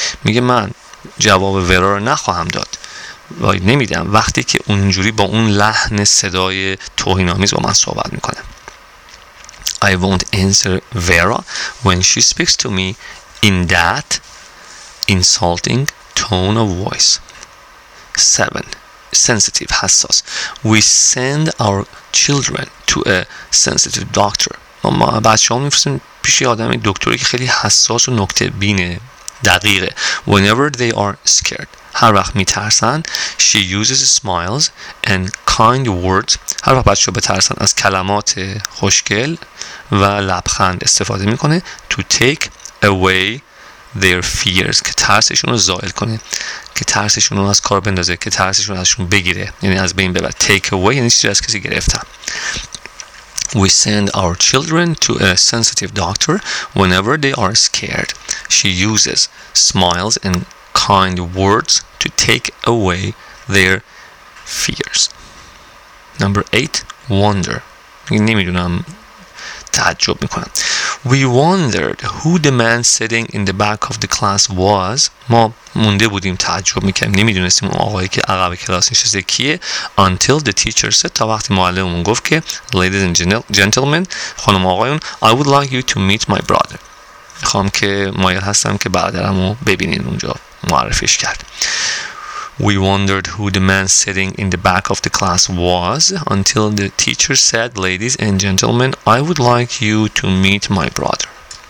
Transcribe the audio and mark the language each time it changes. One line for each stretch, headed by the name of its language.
Persian: میگه من جواب Vera رو نخواهم داد. وای نمیدم وقتی که اونجوری با اون لحن صدای توهین‌آمیز با من صحبت میکنه.
English: I won't answer Vera when she speaks to me in that insulting tone of voice. 7. Sensitive, حساس. We send our children to a sensitive doctor.
Persian: ما بچه ها میفرستیم پیش آدم دکتری که خیلی حساس و نکته بینه دقیقه.
English: Whenever they are scared.
Persian: هر وقت میترسن.
English: She uses smiles and kind words.
Persian: هر وقت بچه ها بترسن از کلمات خوشگل و لبخند استفاده میکنه.
English: To take away their fears.
Persian: که ترسشون رو زائل کنه. که ترسشون رو از کار بندازه, که ترسشون ازشون بگیره, یعنی از بین ببره. Take away یعنی چیزی از کسی گرفتن.
English: We send our children to a sensitive doctor whenever they are scared. She uses smiles and kind words to take away their fears. Number 8, wonder.
Persian: نمیدونم تعجب میکنم.
English: We wondered who the man sitting in the back of the class was.
Persian: ما مونده بودیم تعجب میکنم. نمیدونستیم اون آقایی که عقب کلاس نشسته کیه.
English: Until the teacher said,
Persian: تا وقتی معلممون گفت که
English: Ladies and gentlemen,
Persian: خانم آقایون,
English: I would like you to meet my brother.
Persian: میخوام که مایل هستم که برادرمو ببینین اونجا معرفیش کرد.
English: We wondered who the man sitting in the back of the class was until the teacher said, Ladies and gentlemen, I would like you to meet my brother.